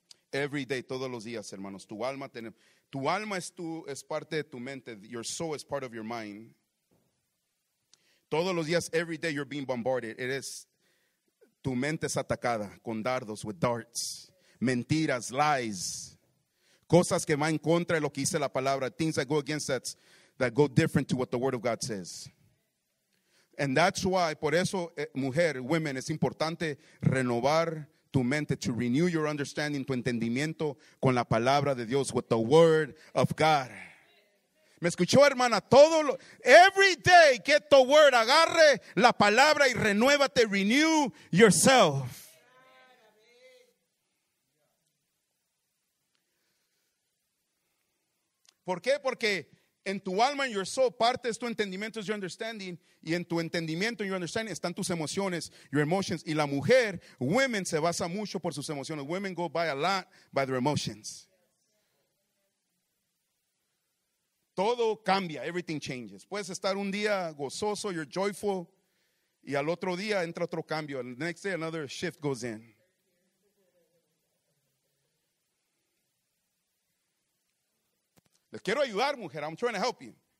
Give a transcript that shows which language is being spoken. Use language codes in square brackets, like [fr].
[en] Every day, [es] todos los días, hermanos. Tu alma es parte de tu mente. [en] Your soul is part of your mind. [es] Todos los días, [en] every day, you're being bombarded. [es] Tu mente es atacada con dardos, [en] with darts. [es] Mentiras, [en] lies. [es] Cosas que van en contra de lo que dice la palabra. [en] Things that go against that go different to what the word of God says. And that's why, [es] por eso, mujer, [en] women, [es] es importante renovar tu mente, [en] to renew your understanding, [es] tu entendimiento con la palabra de Dios, [en] with the word of God. [es] ¿Me escuchó, hermana? [en] Every day, get the word, [es] agarre la palabra y renuévate, [en] renew yourself. [es] ¿Por qué? Porque en tu alma, en [en] your soul, [es] parte es tu entendimiento, es [en] your understanding, [es] y en tu entendimiento, en your understanding, están tus emociones, [en] your emotions. [es] Y la mujer, [en] women, [es] se basa mucho por sus emociones. [en] Women go by a lot by their emotions. [es] Todo cambia, [en] everything changes. [es] Puedes estar un día gozoso, [en] you're joyful, [es] y al otro día entra otro cambio. [en] The next day, another shift goes in. [es] Les quiero ayudar, mujer. [en] I'm trying to help you.